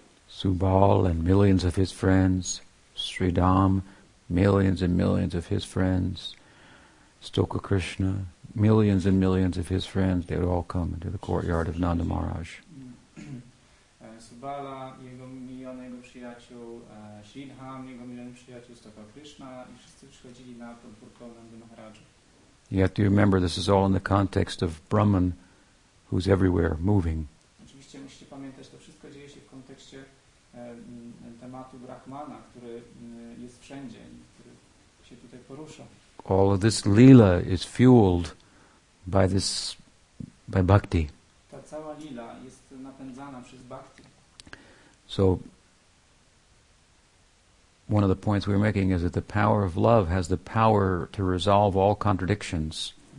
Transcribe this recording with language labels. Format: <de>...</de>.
<en>Subal and millions of his friends, Sridham, millions and millions of his friends, Stoka Krishna, millions and millions of his friends, they would all come into the courtyard of Nanda Maharaj.</en> <pl>Subala, jego miliony jego przyjaciół, Sridham, jego miliony przyjaciół, Stoka Krishna, i wszyscy przychodzili na podwórko Nanda Maharaja.</pl> <en>You have to remember, this is all in the context of Brahman, who's everywhere, moving.</en> <pl>Oczywiście musicie pamiętać, to wszystko dzieje się w kontekście tematu Brahmana, który jest wszędzie, który się tutaj porusza.</pl> <en>All of this lila is fueled by this, by bhakti.</en> <pl>Ta cała lila jest napędzana przez bhakti.</pl> <en>So, one of the points we're making is that the power of love has the power to resolve all contradictions.</en>